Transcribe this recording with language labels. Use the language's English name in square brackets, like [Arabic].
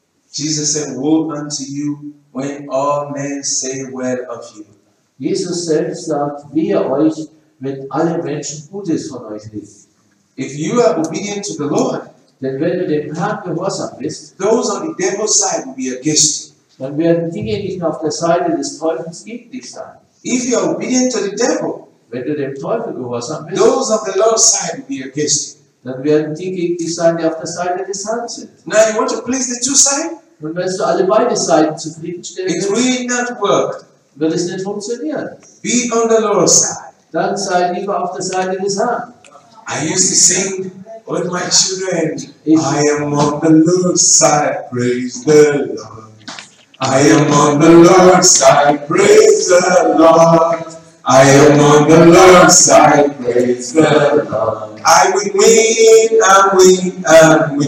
[English] Jesus said, woe unto you, when all men say well of you. [German] Jesus selbst sagt, wehe euch, wenn alle Menschen Gutes von euch reden. [English] If you are obedient to the Lord, [German] denn wenn du dem Herrn gehorsam bist, [English] those on the devil's side will be against you. [German] Dann werden diejenigen auf der Seite des Teufels gegen dich sein. [English] If you are obedient to the devil, [German] wenn du dem Teufel gehorsam bist, [English] those on the Lord's side will be against you. [German] Dann werden die gegen dich sein, die auf der Seite des Herrn sind. [English] Now you want to please the two sides? [German] Und wenn du alle beide Seiten zufriedenstellen willst, wird es nicht funktionieren. [English] Be on the Lord's side. [German] Dann sei lieber auf der Seite des Herrn. [English] I used to sing with my children, I am on the Lord's side, praise the Lord. I am on the Lord's side, praise the Lord. I am on the Lord's side, praise the Lord. I will win, I win, I win.